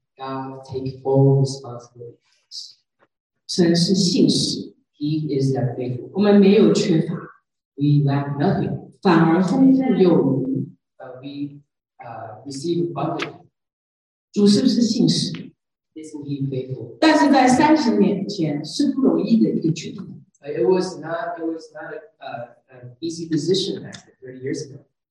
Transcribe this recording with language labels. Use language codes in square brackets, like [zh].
[en] God take full responsibility for us. [zh] 神是信实. [en] He is that faithful. [zh] 我们没有缺乏. [en] We lack nothing. [zh] 反而丰富有余. [en] But we receive abundantly. [zh] 主是不是信实? [en] Isn't he faithful? [zh] 但是在30年前是不容易的一个决定。 [en] It was not an easy decision back 30 years ago.